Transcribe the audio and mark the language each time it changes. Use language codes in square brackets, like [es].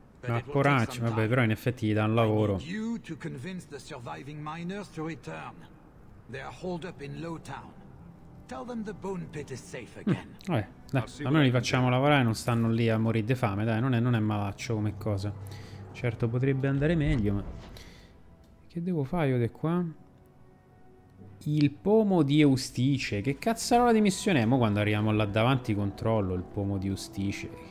[it] Ma poracci, vabbè, però in effetti gli dà un lavoro. [en] I need you to convince the surviving miners to return. They are holed up in Lowtown. Tell them the bone pit is safe again. [it] Almeno li facciamo lavorare, non stanno lì a morire di fame, dai, non è malaccio come cosa. Certo, potrebbe andare meglio, ma che devo fare io di qua? Il pomo di Eustice. Che cazzarola di missione è? Mo quando arriviamo là davanti controllo il pomo di Eustice.